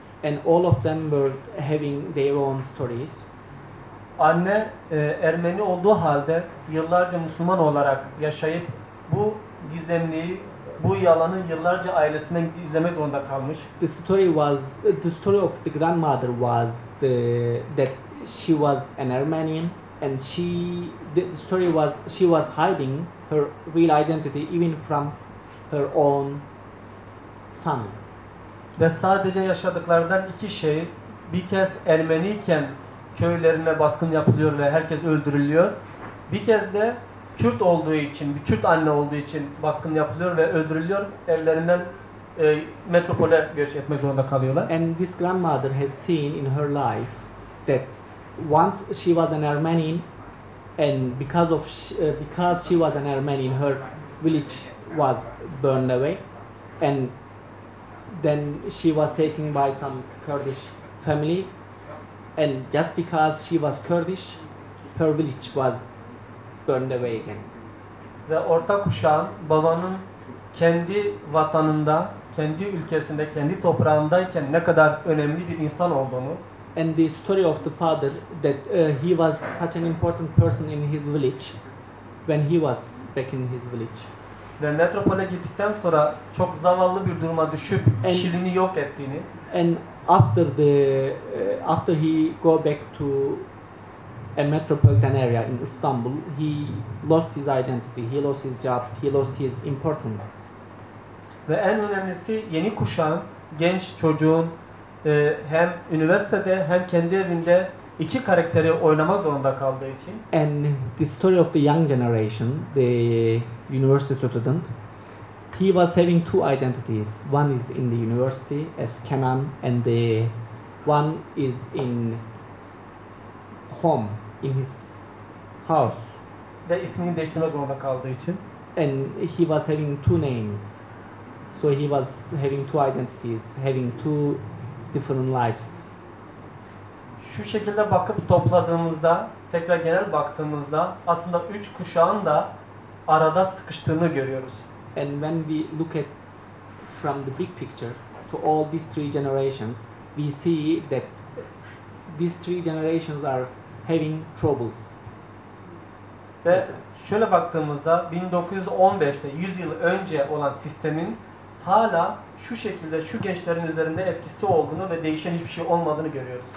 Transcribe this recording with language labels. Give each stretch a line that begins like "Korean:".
English: and all of them were having their own stories
Turkish: anne Ermeni olduğu halde yıllarca Müslüman olarak yaşayıp bu gizemliği bu yalanı yıllarca ailesinden izlemek zorunda kalmış
English: the story was the story of the grandmother was the that she was an Armenian and she the story was she was hiding her real identity even from her own son
Turkish: ve sadece yaşadıklarından iki şey bir kez Ermeniyken köylerine baskın yapılıyor ve herkes öldürülüyor bir kez de Kürt olduğu için, bir Kürt anne olduğu için baskın yapılıyor ve öldürülüyor. Evlerinden metropole göç etmek zorunda kalıyorlar.
English: And this grandmother has seen in her life that once she was an Armenian and because of because she was an Armenian her village was burned away and then she was taken by some Kurdish family and just because she was Kurdish her village was burned away again.
Turkish: Ve orta kuşağın babanın kendi vatanında, kendi ülkesinde, kendi toprağındayken ne kadar önemli bir insan olduğunu
English: and the story of the father that he was such an important person in his village when he was back in his village.
Turkish: Ve metropole gittikten sonra çok zavallı bir duruma düşüp kişiliğini yok ettiğini
English: and after the after he go back to a metropolitan area in Istanbul he lost his identity he lost his job he lost his importance
Turkish: ve en önemlisi yeni kuşağın genç çocuğun hem üniversitede hem kendi evinde iki karakteri oynamak zorunda kaldığı için
English: and the story of the young generation the university student he was having two identities one is in the university as Kenan and the one is in home in his house
Turkish: ve ismini değiştirmek zorunda kaldığı için
English: and he was having two names so he was having two identities having two different lives
Turkish: şu şekilde bakıp topladığımızda tekrar genel baktığımızda aslında üç kuşağın da arada sıkıştığını görüyoruz
English: and when we look at from the big picture to all these three generations we see that these three generations are having troubles.
Turkish: Ve şöyle baktığımızda 1915'te 100 yıl önce olan sistemin hala şu şekilde şu gençlerin üzerinde etkisi olduğunu ve değişen hiçbir şey olmadığını görüyoruz.